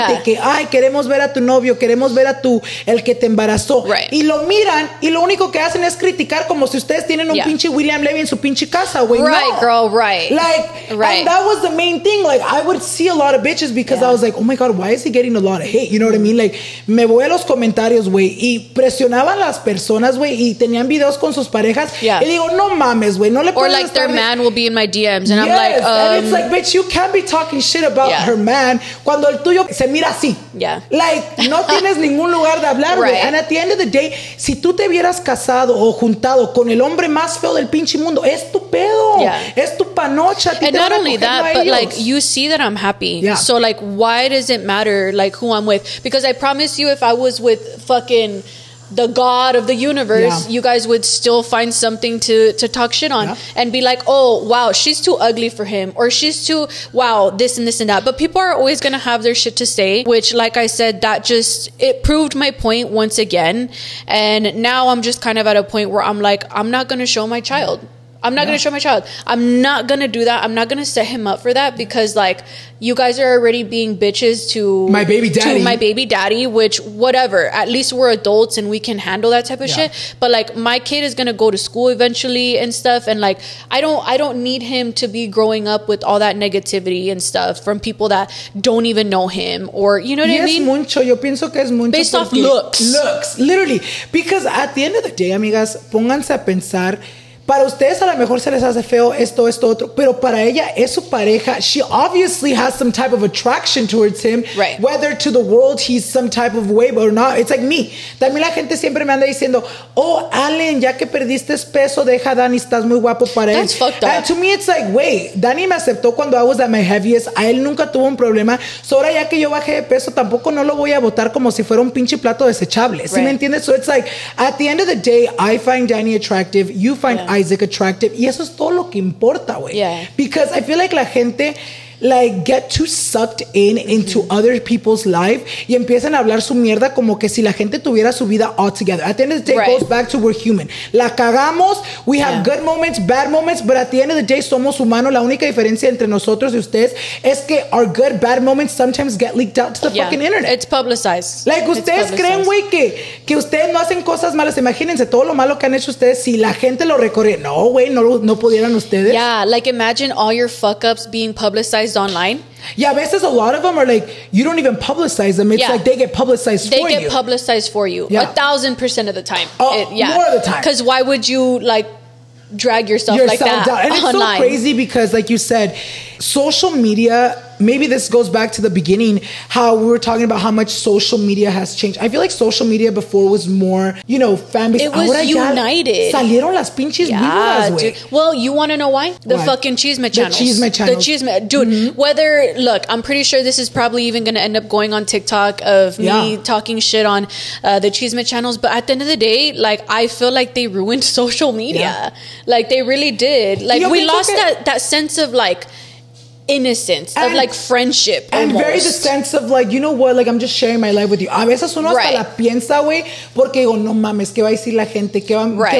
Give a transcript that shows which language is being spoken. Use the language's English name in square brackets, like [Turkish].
[Spanish] Que, ay, queremos ver a tu novio, queremos ver a tu, el que te embarazó. [English] Right. [Spanish] Y lo miran, y lo único que hacen es criticar como si ustedes tienen un pinche William Levy en su pinche casa, güey. [English] Right, no. Girl, right. Like, right. And that was the main thing. Like, I would see a lot of bitches because I was like, oh my God, why is he getting a lot of hate? You know what I mean? [Spanish] Like, me voy a los comentarios, güey, y presionaban las personas, güey, y tenían videos con sus parejas. [English] Yeah. [Spanish] Y digo, no mames, güey, no le puedes estar... [English] their man will be in my DMs and I'm like, and it's like, bitch, you can't be talking shit about her man [Spanish] cuando el tuyo se mira así. [English] Yeah. [Spanish] Like, no tienes ningún lugar de hablar, güey. [English] And at the end of the day, [Spanish] si tú te hubieras casado o juntado con el hombre más feo del pinche mundo, es tu pedo. [English] Yeah. [Spanish] Es tu panocha. [English] And not only that, but like, you see that I'm happy. Yeah. So like, why does it matter like who I'm with? Because I promise you, if I was with fucking the God of the universe, you guys would still find something to talk shit on and be like, oh, wow, she's too ugly for him, or she's too, wow, this and this and that. But people are always going to have their shit to say, which, like I said, that just, it proved my point once again. And now I'm just kind of at a point where I'm like, I'm not going to show my child. I'm not going to show my child. I'm not going to do that. I'm not going to set him up for that, because like, you guys are already being bitches to my baby daddy, which whatever, at least we're adults and we can handle that type of shit. But like, my kid is going to go to school eventually and stuff. And like, I don't need him to be growing up with all that negativity and stuff from people that don't even know him, or, you know what I mean? [Spanish] Es mucho. Yo pienso que es mucho. [English] Based off looks. Looks, literally. [Spanish] Because at the end of the day, amigas, pónganse a pensar, para ustedes a lo mejor se les hace feo esto, esto, otro, pero para ella es su pareja. [English] She obviously has some type of attraction towards him, right? Whether to the world he's some type of way or not. It's like me. [Spanish] También la gente siempre me anda diciendo, oh, Allen, ya que perdiste peso, deja a Dani, estás muy guapo para [English] That's [Spanish] él. [English] Fucked up. And to me, it's like, wait, Dani [Spanish] me aceptó cuando [English] I was at my heaviest. [Spanish] A él nunca tuvo un problema. So ahora ya que yo bajé de peso, tampoco no lo voy a botar como si fuera un pinche plato desechable. ¿Sí me entiendes? [English] So it's like, at the end of the day, I find Dani attractive. You find Isaac attractive. [Spanish] Y eso es todo lo que importa, güey. [English] Yeah. Because I feel like [Spanish] la gente, [English] like, get too sucked in into other people's life [Spanish] y empiezan a hablar su mierda como que si la gente tuviera su vida [English] all together. At the end of the day, it goes back to we're human. [Spanish] La cagamos, [English] we have good moments, bad moments, but at the end of the day, [Spanish] somos humanos. La única diferencia entre nosotros y ustedes es que [English] our good, bad moments sometimes get leaked out to the fucking internet. It's publicized. [Spanish] Like, ustedes creen, güey, que ustedes no hacen cosas malas. Imagínense todo lo malo que han hecho ustedes si la gente lo recorre. No, güey, no pudieran ustedes. [English] Yeah, like, imagine all your fuck-ups being publicized online. Yeah, [Spanish] a veces [English] a lot of them are like, you don't even publicize them. It's like they get publicized they for get you. They get publicized for you. Yeah. 1,000% of the time. More of the time. Because why would you like drag yourself like that down. And online. It's so crazy because, like you said, social media, maybe this goes back to the beginning, how we were talking about how much social media has changed. I feel like social media before was more, you know, fanbase. It was united. [Spanish] Salieron las pinches vidas, güey. [English] Well, you want to know why? The fucking chisme channels. The chisme channels. The chisme. Dude, whether, look, I'm pretty sure this is probably even going to end up going on TikTok of me talking shit on the chisme channels. But at the end of the day, like, I feel like they ruined social media. Yeah. Like, they really did. Like, we lost that sense of, like, innocence and, of like friendship and almost. Very the sense of like, you know what, like I'm just sharing my life with you. [Spanish] A veces uno right. hasta la piensa güey porque digo no mames que va a decir la gente que van, right.